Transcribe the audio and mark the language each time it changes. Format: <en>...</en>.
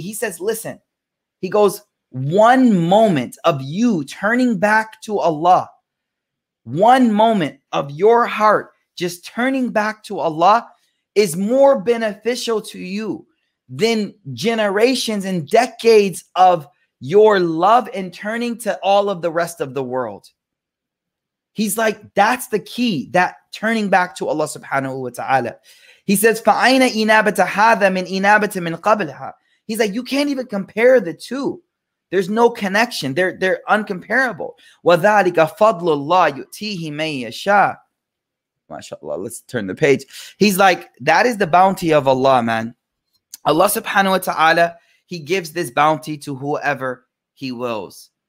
<en>He says, listen, he goes, one moment of you turning back to Allah, one moment of your heart just turning back to Allah is more beneficial to you than generations and decades of your love and turning to all of the rest of the world. He's like, that's the key, that turning back to Allah subhanahu wa ta'ala. He says,</en> <ar>فَأَيْنَ إِنَابَةَ هَذَا مِنْ إِنَابَةَ مِنْ قَبْلِهَا.</ar> <en>He's like, you can't even compare the two. There's no connection. They're uncomparable.</en> <ar>وَذَلِكَ فَضْلُ اللَّهِ يُؤْتِيهِ مَنْ يَشَاءُ.</ar> <en>MashaAllah, let's turn the page. He's like, that is the bounty of Allah, man. Allah subhanahu wa ta'ala, he gives this bounty to whoever he wills.</en>